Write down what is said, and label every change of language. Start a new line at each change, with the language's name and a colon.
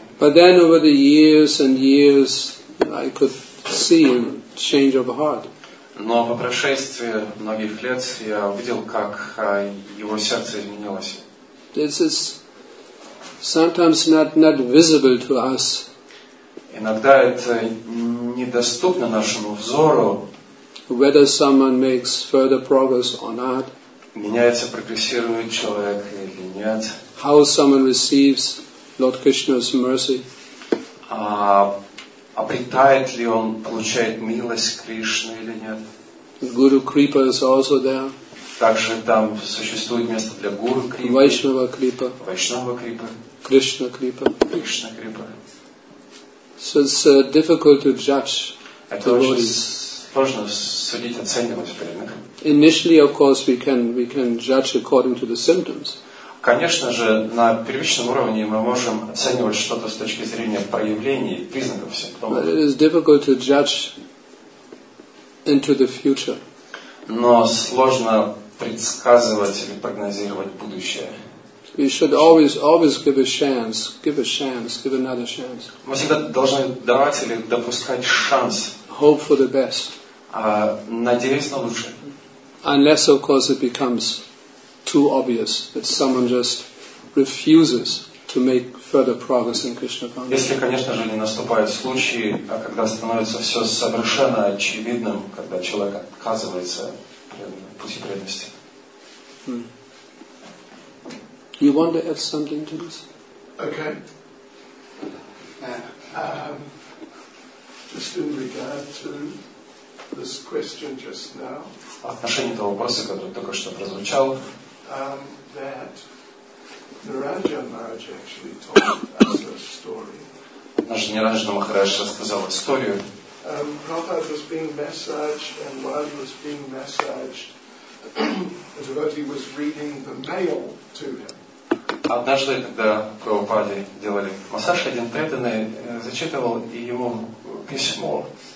English: But then over the years and years, I could see a change of heart.
Russian: Но по прошествии многих лет я увидел, как его сердце изменилось.
English: This is sometimes not visible to us.
Russian: Иногда это недоступно нашему взору.
English: Whether someone makes further progress or not.
Russian: Меняется, прогрессирует человек или нет.
English: How someone receives Lord Krishna's mercy.
Russian: Обретает ли он, получает милость Кришны или нет.
English: Guru Kripa is also there.
Russian: Также там существует место для Guru Kripa.
Sanskrit: Vaishnava Kripa. Vaishnava Kripa. Krishna Kripa. Krishna Kripa.
English: So it's difficult to judge.
Russian: Это очень сложно судить, оценивать преданных.
English: Initially, of course, we can judge according to the symptoms.
Russian: Конечно же, на первичном уровне мы можем оценивать что-то с точки зрения проявлений, признаков, симптомов.
English: But it is difficult to judge into the future.
Russian: Но сложно предсказывать или прогнозировать будущее.
English: We should always give another chance.
Russian: Мы всегда должны давать или допускать шанс.
English: Hope for the best.
Russian: Надеясь на лучшее.
English: Unless, of course, it becomes too obvious that someone just refuses to make further progress in Krishna consciousness.
Russian: Если, конечно же, не наступают случаи, а когда становится все совершенно очевидным, когда человек отказывается от пути преданности.
English: You want to add something to this? Okay. Just in regard to this question just now.
Russian: В отношении того вопроса, который только что прозвучал.
English: That Niranjana Maharaj actually told us a story.
Russian: Наш Ниранджана Махарадж рассказал историю.
English: Prabhupada was being massaged, and while he was being massaged, the devotee was reading the mail to him.
Russian: Однажды, когда Прабхупаде делали массаж, один преданный зачитывал ему письмо.